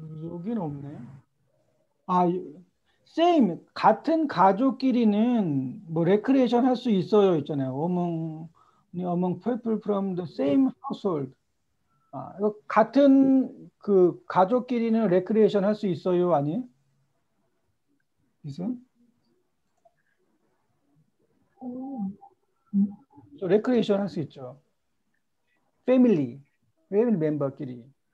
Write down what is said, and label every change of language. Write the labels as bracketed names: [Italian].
[Korean] 여기는 없네. 아, same 같은 가족끼리는 뭐 레크리에이션 할 수 있어요 있잖아요. [English] Among people from the same household. [Korean] 아, 이거 같은 그 가족끼리는 레크리에이션 할 수 있어요 아니? 무슨? 레크리에이션 할 수 있죠. [English] Family member [Korean] 끼리.